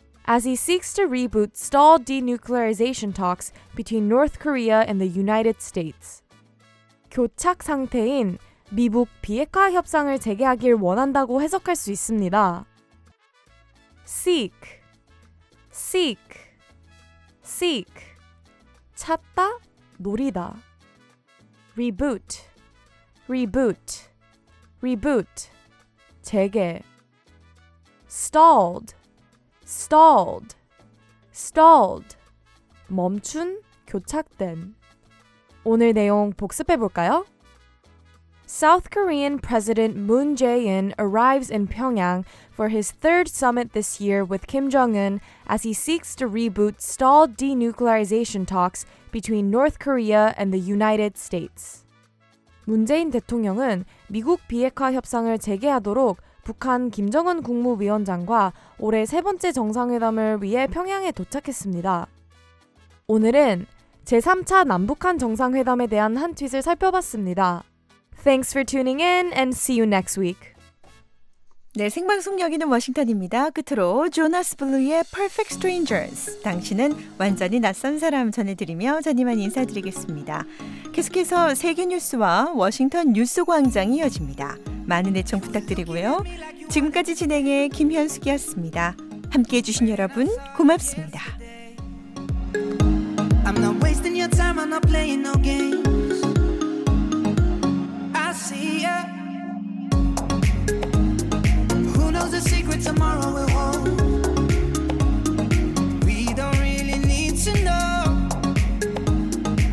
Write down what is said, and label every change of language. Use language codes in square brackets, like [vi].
[en] As he seeks to reboot stalled denuclearization talks between North Korea and the United States. [ko] 교착 상태인 미국 비핵화 협상을 재개하길 원한다고 해석할 수 있습니다. [en] Seek, seek, seek, [ko] 찾다, 노리다. [en] Reboot, reboot, reboot, [ko] 재개. [en] Stalled, stalled, stalled, [ko] 멈춘, 교착된. 오늘 내용 복습해 볼까요? [en] South Korean President Moon Jae-in arrives in Pyongyang for his third summit this year with Kim Jong-un as he seeks to reboot stalled denuclearization talks between North Korea and the United States. [ko] 문재인 대통령은 미국 비핵화 협상을 재개하도록 북한 김정은 국무위원장과 올해 세 번째 정상회담을 위해 평양에 도착했습니다. 오늘은 제3차 남북한 정상회담에 대한 한 트윗을 살펴봤습니다. [en] Thanks for tuning in and see you next week. [ko] 네, 생방송 여기는 워싱턴입니다. 끝으로 조나스 블루의 Perfect Strangers, 당신은 완전히 낯선 사람 전해드리며 전희만 인사드리겠습니다. 계속해서 세계 뉴스와 워싱턴 뉴스 광장이 이어집니다. 많은 애청 부탁드리고요. 지금까지 진행해 김현숙이었습니다. 함께해 주신 여러분 고맙습니다. [en] I'm not wasting your time, I'm not playing no game. The secret tomorrow will hold. We don't really need to know.